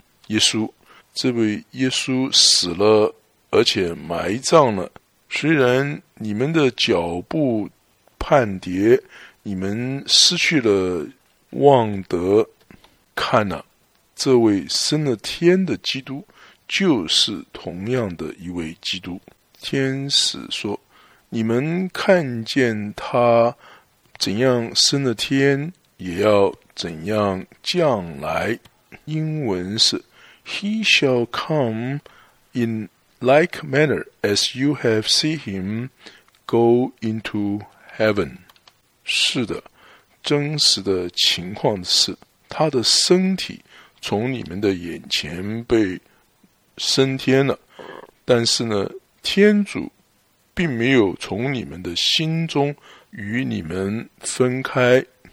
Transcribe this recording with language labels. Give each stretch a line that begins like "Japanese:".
Chinese: 耶稣，这位耶稣死了而且埋葬了，虽然你们的脚步叛跌，你们失去了望德，看啊，这位升了天的基督就是同样的一位基督。天使说，你们看见他怎样升了天，也要怎样降来。英文是
English: He shall come in like manner as you have seen him go into heaven.
Chinese: 是的，真实的情况是，他的身体从你们的眼前被升天了，但是呢，天主并没有从你们的心中与你们分开。